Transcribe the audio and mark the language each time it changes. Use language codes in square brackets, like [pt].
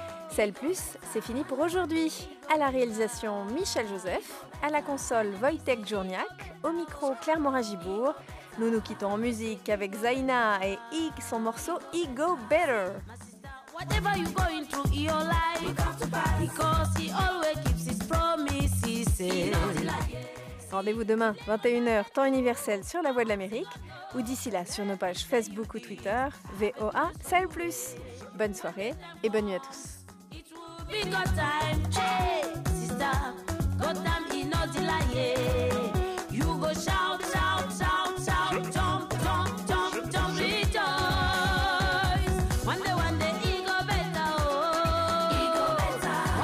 [fr] Celle Plus, c'est fini pour aujourd'hui. À la réalisation, Michel Joseph. À la console, Wojtek Journiak. Au micro, Claire Morin-Gibourg. Nous nous quittons en musique avec Zaina et Ig, son morceau « Ego Better ». [en] Whatever you going through in your life, because he always keeps his promises. [fr] Rendez-vous demain, 21h, temps universel sur La Voix de l'Amérique ou d'ici là sur nos pages Facebook ou Twitter, VOA Celle Plus. Bonne soirée et bonne nuit à tous. [en] We got time, hey, sister, got time in no delay. You go shout, shout, shout, shout, jump, jump, jump, jump, rejoice. One day, ego better, oh. Ego better.